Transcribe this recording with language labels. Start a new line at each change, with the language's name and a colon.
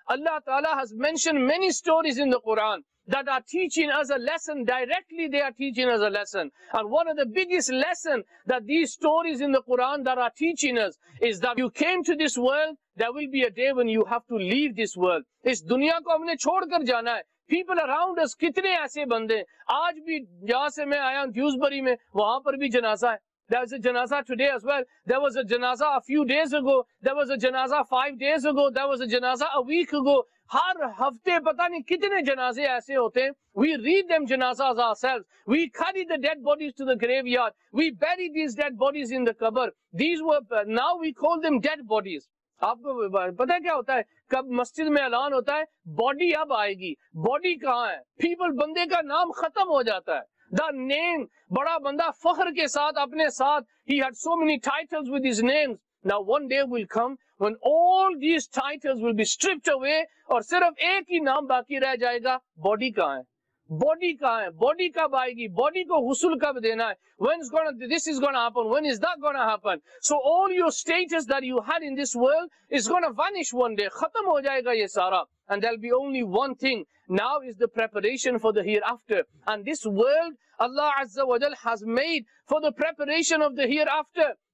English: اللہ تعالیٰ has mentioned many stories in the Quran that are teaching us a lesson directly they are teaching us a lesson and one of the biggest lesson that these stories in the Quran that are teaching us is that you came to this world there will be a day when you have to leave this world
Urdu: اس دنیا کو ہم نے چھوڑ کر جانا ہے
English: people around us
Urdu: کتنے ایسے بندے ہیں آج بھی جہاں سے میں آیا ہوں دیوزبری میں وہاں پر بھی جنازہ ہے
English: There was a janaza today as well. There was a janaza a few days ago. There was a janaza 5 days ago. There was a janaza a week ago.
Urdu: ہر ہفتے پتہ نہیں کتنے جنازے ایسے ہوتے ہیں.
English: We read them janazas ourselves. We carry the dead bodies to the graveyard. We bury these dead bodies in the qabr. These were, now we call them dead bodies.
Urdu: آپ کو پتہ کیا ہوتا ہے؟ کب مسجد میں اعلان ہوتا ہے؟ Body اب آئے گی. Body کہاں ہے؟ People بندے کا نام ختم ہو جاتا ہے.
English: The name,
Urdu: بڑا بندہ فخر کے ساتھ اپنے ساتھ,
English: he had so many titles with his names. Now one day will come when all these titles will be stripped away
Urdu: اور صرف ایک ہی نام باقی رہ جائے گا,
English: body
Urdu: کہاں ہے? Body کہاں ہے? Body کب آئے گی? Body کو غسل کب دینا ہے?
English: When is this going to happen? When is that going to happen? So all your status that you had in this world is going to vanish one day.
Urdu: ختم ہو جائے گا یہ سارا.
English: And there'll be only one thing. Now is the preparation for the hereafter. And this world Allah Azza wa Jal has made for the preparation of the hereafter.